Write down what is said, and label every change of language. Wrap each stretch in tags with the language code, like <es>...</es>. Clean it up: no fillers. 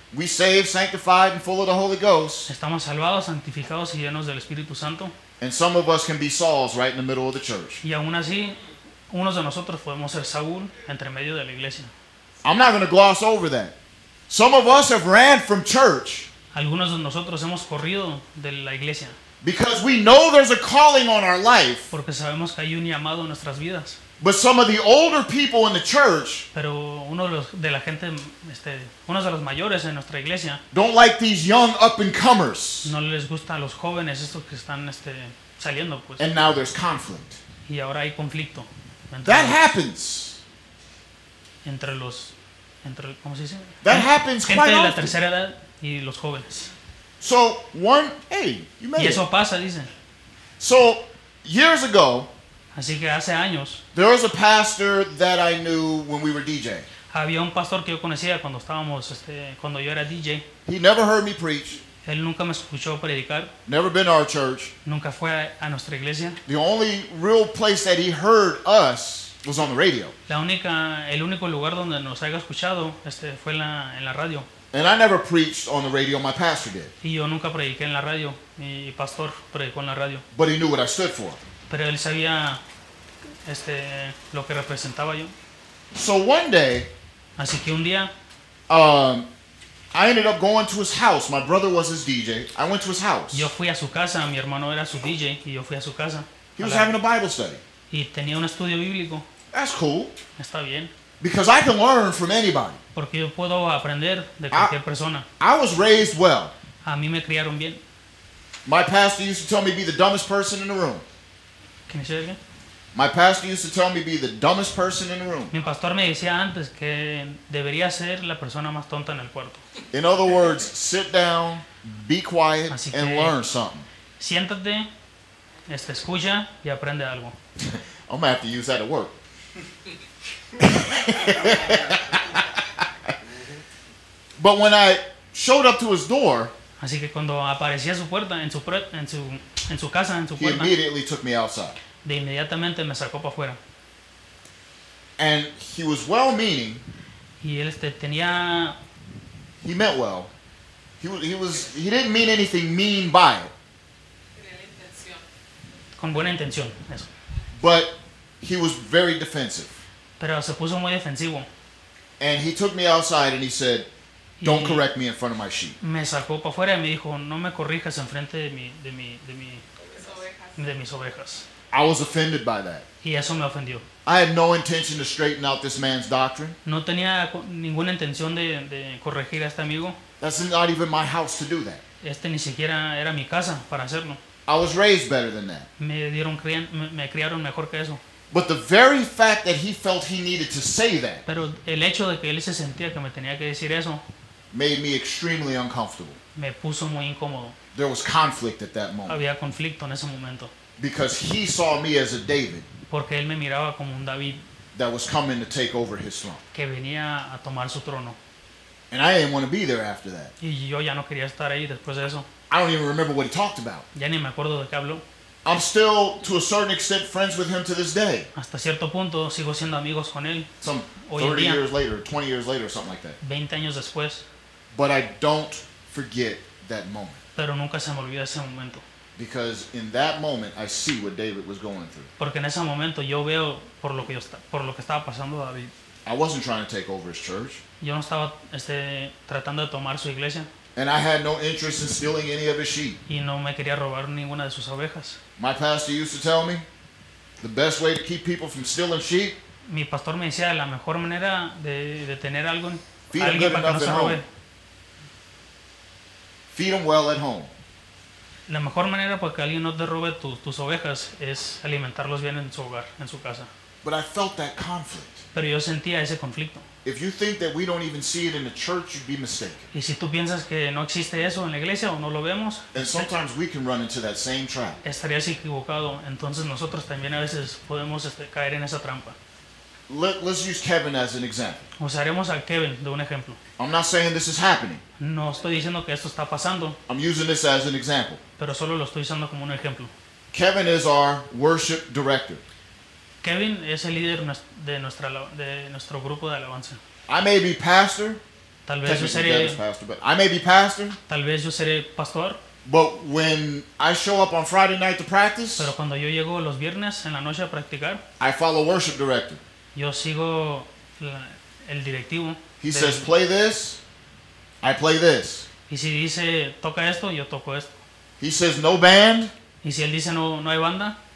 <en>We saved, sanctified, and full of the Holy Ghost.</en> <es>Estamos salvados, santificados y llenos del Espíritu Santo.</es> <en>And some of us can be Sauls right in the middle of the church.</en> <es>Y aún así, unos de nosotros podemos ser Saúl entre medio de la iglesia.</es> <en>I'm not going to gloss over that. Some of us have ran from church.</en> <es>Algunos de nosotros hemos corrido de la iglesia.</es> <en>Because we know there's a calling on our life.</en> <es>Porque sabemos que hay un llamado en nuestras vidas.</es> <en>But some of the older people in the church,</en> <es>pero uno de los de la gente, este, uno de los mayores en nuestra iglesia,</es> <en>don't like these young up and comers.</en> <es>No les gusta a los jóvenes estos que están, este, saliendo, pues.</es> <en>And now there's conflict.</en> <es>Y ahora hay conflicto.</es> <en>That happens.</en> <es>Entre los, entre, ¿cómo se dice?</es> <en>That happens quite often.</en> <es>Gente de la tercera edad y los jóvenes.</es> <en>So one, hey, you made it.</en> <es>Y eso pasa, dice.</es> <en>So years ago.</en> <es>Así que hace años.</es> <en>There was a pastor that I knew when we were DJ.</en> <es>Había un pastor que yo conocía cuando estábamos, este, cuando yo era DJ.</es> <en>He never heard me preach.</en> <es>Él nunca me escuchó predicar.</es> <en>Never been to our church.</en> <es>Nunca fue a nuestra iglesia.</es> <en>The only real place that he heard us was on the radio.</en> <es>La única, el único lugar donde nos haya escuchado, este, fue en la radio.</es> <en>And I never preached on the radio. My pastor did.</en> <es>Y yo nunca prediqué en la radio. Mi pastor predicó en la radio.</es> <en>But he knew what I stood for.</en> <es>Pero él sabía, este, lo que representaba yo.</es> <en>So one day,</en> <es>así que un día,</es> <en>I ended up going to his house. My brother was his DJ. I went to his house.</en> <es>Yo fui a su casa. Mi hermano era su DJ y yo fui a su casa.</es> <en>He was having a Bible study.</en> <es>Y tenía un estudio bíblico.</es> <en>That's cool.</en> <es>Está bien.</es> <en>Because I can learn from anybody.</en> <es>Porque yo puedo aprender de cualquier persona.</es> <en>I was raised well.</en> <es>A mí me criaron bien.</es> <en>My pastor used to tell me to be the dumbest person in the room. Can you say that again? My pastor used to tell me to be the dumbest person in the room.</en> <es>Mi pastor me decía antes que debería ser la persona más tonta en el cuarto.</es> <en>In other words, sit down, be quiet,</en> <es>así que,</es> <en>and learn something.</en> <es>Siéntate, este, escucha y aprende algo.</es> <en>I'm gonna have to use that at work. But when I showed up to his door,</en> <es>así que cuando aparecí a su puerta, en su casa, en su puerta,</es> <en>he immediately took me outside.</en> <es>De inmediatamente me sacó para afuera.</es> <en>And he was well-meaning.</en> <es>Y él, este, tenía.</es> <en>He meant well. He was. He didn't mean anything mean by it.</en> <es>Con buena intención, eso.</es> <en>But he was very defensive.</en> <es>Pero se puso muy defensivo.</es> <en>And he took me outside and he said, don't correct me in front of my sheep.</en> <es>Me sacó para afuera y me dijo, no me corrijas en frente de mis ovejas.</es> <en>I was offended by that.</en> <es>Y eso me ofendió.</es> <en>I had no intention to straighten out this man's doctrine.</en> <es>No tenía ninguna intención de corregir a este amigo.</es> <en>That's not even my house to do that.</en> <es>Este ni siquiera era mi casa para hacerlo.</es> <en>I was raised better than that.</en> <es>Me criaron mejor que eso.</es> <en>But the very fact that he felt he needed to say that.</en> <es>Pero el hecho de que él se sentía que me tenía que decir eso.</es> <en>Made me extremely uncomfortable.</en> <es>Me puso muy incómodo.</es> <en>There was conflict at that moment.</en> <es>Había conflicto en ese momento.</es> <en>Because he saw me as a David.</en> <es>Porque él me miraba como un David.</es> <en>That was coming to take over his throne.</en> <es>Que venía a tomar su trono.</es> <en>And I didn't want to be there after that.</en> <es>Y yo ya no quería estar ahí después de eso.</es> <en>I don't even remember what he talked about.</en> <es>Ya ni me acuerdo de qué habló.</es> <en>I'm still, to a certain extent, friends with him to this day.</en> <es>Hasta cierto punto sigo siendo amigos con él.</es> <en>Some 30 years later, 20 years later, something like that.</en> <es>20 años después.</es> <en>But I don't forget that moment.</en> <es>Pero nunca se me olvida ese momento.</es> <en>Because in that moment, I see what David was going through.</en> <es>Porque en ese momento yo veo por lo que estaba pasando David.</es> <en>I wasn't trying to take over his church.</en> <es>Yo no estaba tratando de tomar su iglesia.</es> <en>And I had no interest in stealing any of his sheep.</en> <es>Y no me quería robar ninguna de sus ovejas.</es> <en>My pastor used to tell me, the best way to keep people from stealing sheep.</en> <es>Mi pastor me decía la mejor manera de tener algo,</es> <en>feed</en> <es>alguien</es> <en>them good</en> <es>para</es> <en>enough</en> <es>que no se robe.</es> <en>Feed them well at home.</en> <es>La mejor manera para que alguien no te robe tus ovejas es alimentarlos bien en su hogar, en su casa.</es> <en>But I felt that conflict.</en> <es>Pero yo sentía ese conflicto.</es> <en>If you think that we don't even see it in the church, you'd be mistaken.</en> <es>Y si tú piensas que no existe eso en la iglesia o no lo vemos,</es> <en>and sometimes we can run into that same trap.</en> <es>Estarías equivocado. Entonces nosotros también a veces podemos caer en esa trampa.</es> <en>Let's use Kevin as an example.</en> <es>Usaremos a Kevin de un ejemplo.</es> <en>I'm not saying this is happening.</en> <es>No estoy diciendo que esto está pasando.</es> <en>I'm using this as an example.</en> <es>Pero solo lo estoy usando como un ejemplo.</es> <en>Kevin is our worship director.</en> <es>Kevin es el líder de nuestro grupo de alabanza.</es> <en>I may be pastor.</en> <es>Tal vez yo seré</es> <en>pastor, but I may be pastor.</en> <es>Tal vez yo seré pastor.</es> <en>But when I show up on Friday night to practice.</en> <es>Pero cuando yo llego los viernes en la noche a practicar.</es> <en>I follow worship director.</en> <es>Yo sigo el directivo.</es> <en>He says play this. I play this.</en> <es>Y si dice toca esto, yo toco esto.</es> <en>He says no band.</en> <es>Y si él dice no hay banda.</es>